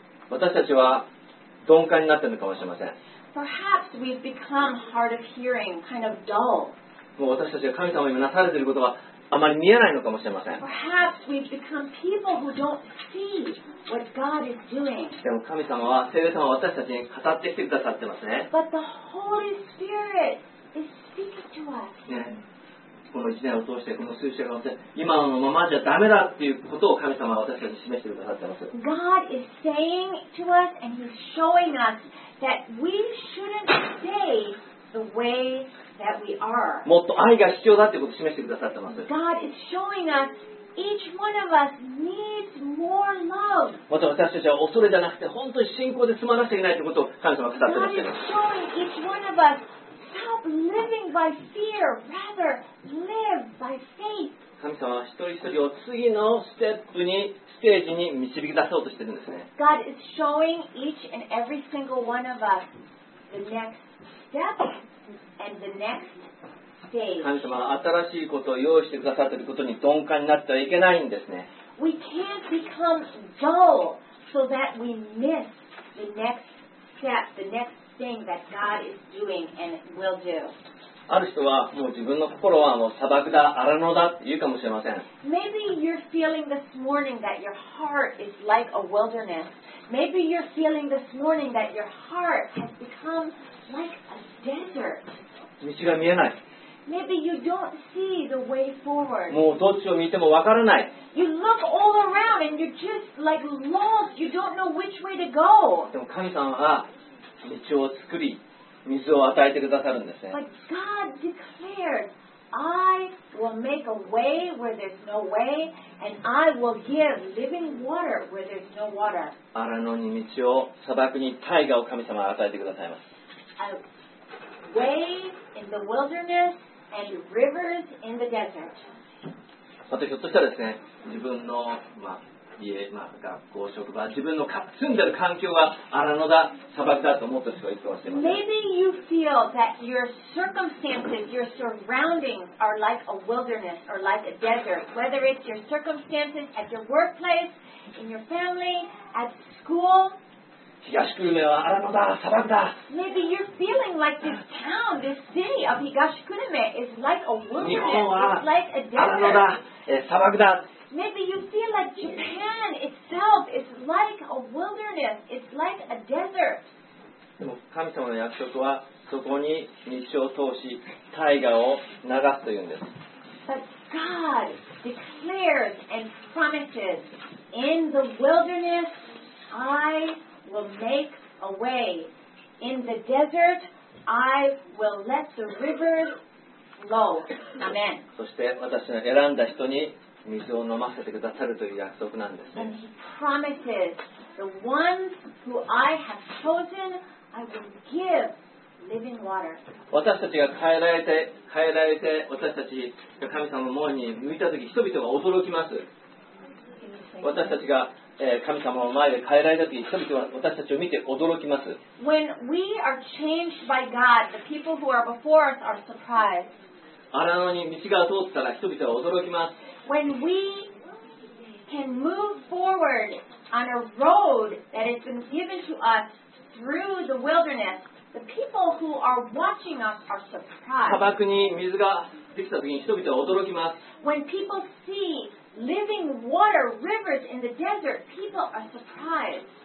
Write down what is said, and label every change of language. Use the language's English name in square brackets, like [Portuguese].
[Japanese] 私たちは鈍感になっているのかもしれません。 [English] Perhaps we've become hard of hearing, kind of dull. [Japanese] もう私たちが神様に今なされていることはあまり見えないのかもしれません。 [English] Perhaps we've become people who don't see what God is doing. [Japanese] でも神様は、聖霊様は私たちに語ってきてくださってますね。 [English] But the Holy Spirit is speaking to us. [Japanese] この1年を通してこの数週間を通して今のままじゃダメだっていうことを神様は私たちに示してくださってます。 [English] God is saying to us and he's showing us that we shouldn't stay the way that we are. [Japanese] もっと愛が必要だってことを示してくださってます。 [English] God is showing us each one of us needs more love. [Japanese] また私たちは恐れじゃなくて本当に信仰で済まなくちゃいけないということを神様は語ってくださってます。 [English] God is showing each one of usStop living by fear. Rather, live by faith. [Japanese] 神様は一人一人を次のステップに、ステージに導き出そうとしてるんですね。 [English] God is showing each and every single one of us the next step and the next stage. [Japanese] 神様は新しいことを用意してくださっていることに鈍感になってはいけないんですね。 [English] We can't become dull so that we miss the next step, the next stage. Thing that God is doing and will do. [Japanese] ある人はもう自分の心はもう砂漠だ荒野だって言うかもしれません。 [English] Maybe you're feeling this morning that your heart is like a wilderness. Maybe you're feeling this morning that your heart has become like a desert. [Japanese] 道が見えない。 [English] Maybe you don't see the way forward. [Japanese] もうどっちを見てもわからない。 [English] You look all around and you're just like lost. You don't know which way to go. [Japanese] でも神様は道を作り、水を与えてくださるんですね。 [English] But God declared, I will make a way where there's no way, and I will give living water where there's no water. [Japanese] 荒野に道を、砂漠に大河を神様が与えてくださいます。 [English] A way in the wilderness and rivers in the desert. [Japanese] あとひょっとしたらですね、自分の、まあ家、まあ、学校、職場、自分の住んでる環境は荒野だ、砂漠だと思った人がいるかもしれません。 [English] Maybe you feel that your circumstances, your surroundings are like a wilderness or like a desert. Whether it's your circumstances at your workplace, in your family, at school. [Japanese] 東久留米は荒野だ、砂漠だ。 [English] Maybe you're feeling like this town, this city of 東久留米 is like a wilderness, it's like a desert. [Japanese] 荒野だ、砂漠だ。 [English] Maybe you feel like Japan itself is like a wilderness. It's like a desert. [Japanese] でも神様の約束はそこに道を通し大河を流すというんです。 [English] But God declares and promises, in the wilderness I will make a way. In the desert I will let the rivers flow. Amen. [Japanese] そして私の選んだ人に水を飲ませてくださるという約束なんですね。 [English] And he promises, the ones who I have chosen, I will give living water. [Japanese] 私たちが変えられて私たちが神様の門に向いたとき人々が驚きます。 [English] Can you say [Japanese] 私たちが神様の前で変えられたとき、人々は私たちを見て驚きます。 [English] When we are changed by God, the people who are before us are surprised. [Japanese] 荒野に道が通ったら人々は驚きます。 [English] When we can move forward on a road that has been given to us through the wilderness, the people who are watching us are surprised. [Japanese] 砂漠に水ができたときに人々は驚きます。 [English] When people see living water, rivers in the desert, people are surprised.